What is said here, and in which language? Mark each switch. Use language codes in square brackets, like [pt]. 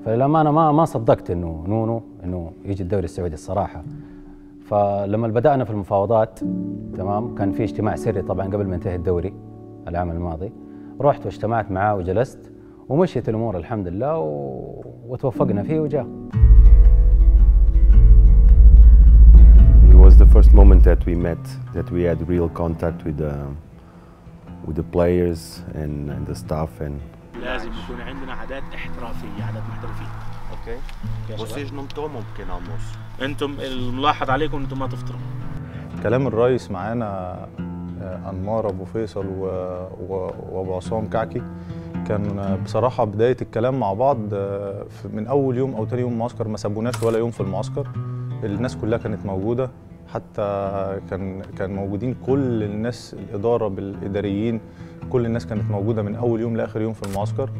[ar] فللامانه ما صدقت انه نونو انه يجي الدوري السعودي الصراحه. فلما بدانا في المفاوضات تمام، كان في اجتماع سري طبعا قبل ما ينتهي الدوري العام الماضي، رحت واجتمعت معاه وجلست ومشيت الامور الحمد لله وتوفقنا فيه وجاء. [en] It was the first moment that we met, that we had real contact with the players and the staff and [ar] لازم يكون عندنا عادات احترافيه، عادات محترفين. اوكي. وسيج نمتو ممكن اموس. انتم الملاحظ عليكم انتم ما تفطروا. كلام الرئيس معانا انمار ابو فيصل وابو عصام كعكي كان بصراحة بداية الكلام مع بعض من أول يوم أو تاني يوم معسكر، ما سابوناش ولا يوم في المعسكر، الناس كلها كانت موجودة، حتى كان موجودين كل الناس، الإدارة بالإداريين كل الناس كانت موجودة من أول يوم لآخر يوم في المعسكر.